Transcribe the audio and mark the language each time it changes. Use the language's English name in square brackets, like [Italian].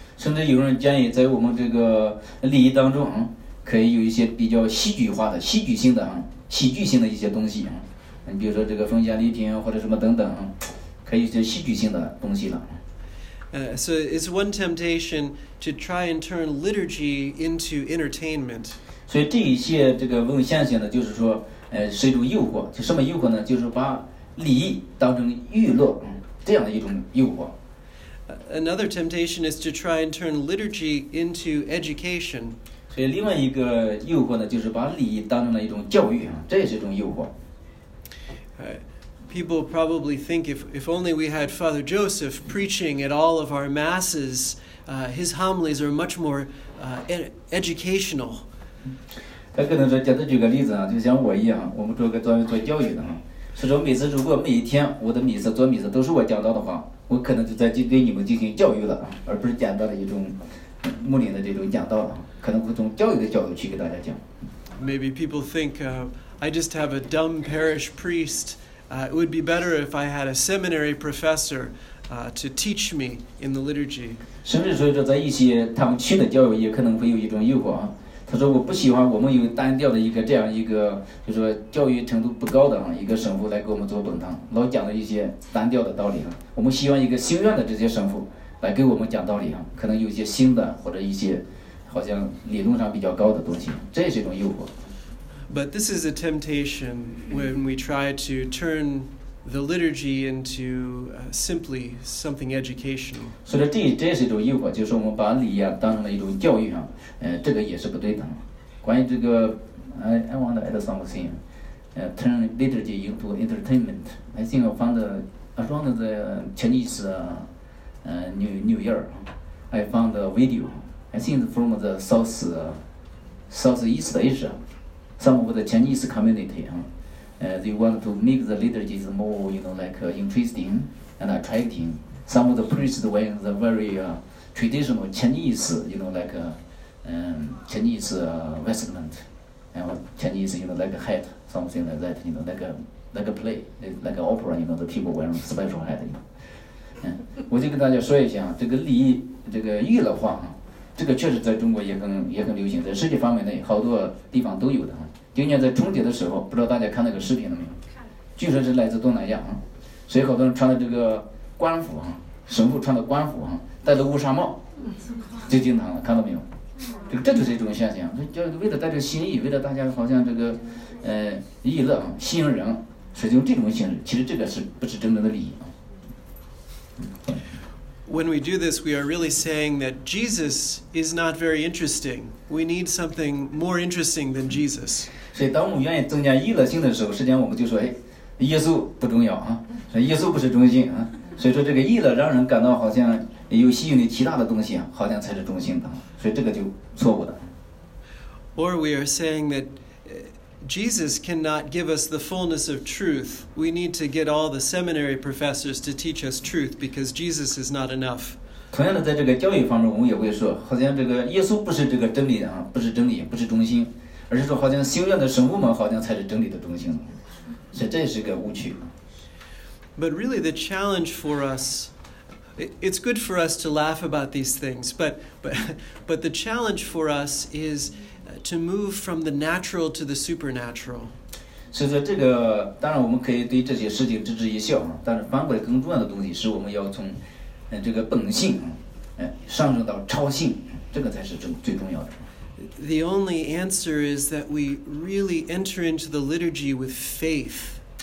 [Chinese] 甚至有人建议在我们这个礼仪当中可以有一些比较戏剧化的戏剧性的一些东西比如说这个奉献礼品或者什么等等可以有些戏剧性的东西了。 [English] So it's one temptation to try and turn liturgy into entertainment. [Chinese] 所以这一些这个问现象呢，就是说，是一种诱惑。就什么诱惑呢？就是把礼仪当成娱乐，这样的一种诱惑。 [English] Another temptation is to try and turn liturgy into education. [Chinese] 所以另外一个诱惑呢，就是把礼仪当成了一种教育，这也是一种诱惑。 [English] People probably think if only we had Father Joseph preaching at all of our masses, his homilies are much more educational. [Chinese] 他可能说，简单举个例子就像我一样，我们作为教育的所以说每次如果每一天我的做弥撒都是我讲到的话，我可能就在对你们进行教育了，而不是简单的一种牧灵的这种讲道了，可能会从教育的角度去给大家讲。 [English] Maybe people think I just have a dumb parish priest. It would be better if I had a seminary professor to teach me in the liturgy. [Chinese] 甚至说在一些堂区的教友也可能会有一种诱惑他说我不喜欢我们有单调的一个这样一个就是说教育程度不高的一个神父来给我们做本堂老讲了一些单调的道理我们希望一个新院的这些神父来给我们讲道理可能有一些新的或者一些好像理论上比较高的东西这也是一种诱惑 [English] But this is a temptation when we try to turn the liturgy into simply something educational. [Chinese] 所以这也是一种诱惑，就是我们把礼仪当成了一种教育这个也是不对的。关于这个 [English] ，I want to add something. Turn liturgy into entertainment. I think I found around the Chinese New Year, I found a video. I think from the Southeast Asia. Some of the Chinese community, they want to make the liturgies more, you know, like interesting and attracting. Some of the priests wearing the very traditional Chinese, you know, like Chinese vestment, and Chinese, you know, like a hat, something like that, you know, like a play, like an opera, you know, the people wearing special hat. You know. [Chinese] 我就跟大家说一下，这个礼仪，这个娱乐化，这个确实在中国也很流行，在世界范围内好多地方都有的。今年在春节的时候，不知道大家看那个视频了没有？据说是来自东南亚所以好多人穿的这个官服神父穿的官服戴着乌纱帽，就经常了，看到没有？这个这就是一种现象，就为了带着心意，为了大家好像这个意乐吸引人，所以用这种形式，其实这个是不是真正的利益。 [English] When we do this, we are really saying that Jesus is not very interesting. We need something more interesting than Jesus. [Chinese] 所以当我们愿意增加娱乐性的时候，实际上我们就说，哎，耶稣不重要啊，耶稣不是中心啊。所以说这个娱乐让人感到好像有吸引力，其他的东西啊，好像才是中心的，所以这个就错误的。 [English] Or we are saying that Jesus cannot give us the fullness of truth. We need to get all the seminary professors to teach us truth because Jesus is not enough. [Chinese] 同样的，在这个教育方面，我们也会说，好像这个耶稣不是这个真理啊，不是真理，不是中心，而是说好像修院的神父们好像才是真理的中心，所以这是个误区。 [English] But really, the challenge for us. It's good for us to laugh about these things, but the challenge for us is to move from the natural to the supernatural. [Chinese] 所以说这个当然我们可以对这些事情置之一笑，但是反过来更重要的东西是我们要从这个本性上升到超性，这个才是最重要的。 [English] The only answer is that we really enter into the liturgy with faith.